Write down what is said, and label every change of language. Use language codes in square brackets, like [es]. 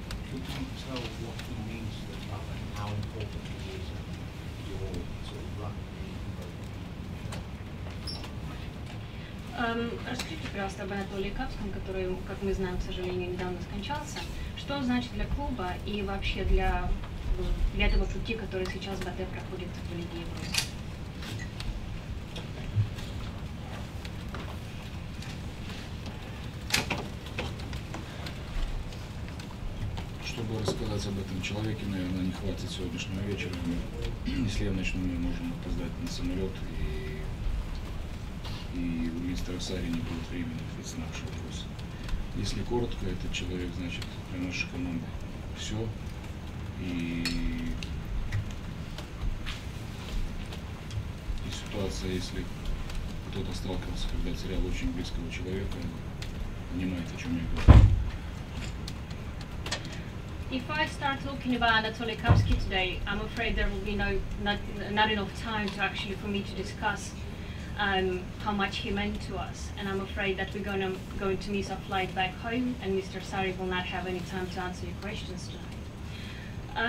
[en] Could you tell what he means to the club and how important he is in your sort of running the program? [ru] Расскажите, пожалуйста, об Анатолии Капском, который, как мы знаем, к сожалению, недавно скончался. Что он значит для клуба и вообще для этого пути, который сейчас БТ проходит в Лиге Европы? Чтобы рассказать об этом человеке, наверное, не хватит сегодняшнего вечера. Но если я начну, мы можем опоздать на самолет, и у мистера Сари не будет времени ответить на наши вопросы. Если коротко, этот человек значит для нашей команды все. И ситуация, если кто-то сталкивался, когда терял очень близкого человека, понимает, о чем я говорю. [en] If I start talking about Anatoly Kapsky today, I'm afraid there will be not enough time to actually for me to discuss how much he meant to us. And I'm afraid that we're going to miss our flight back home, and Mr. Sari will not have any time to answer your questions tonight.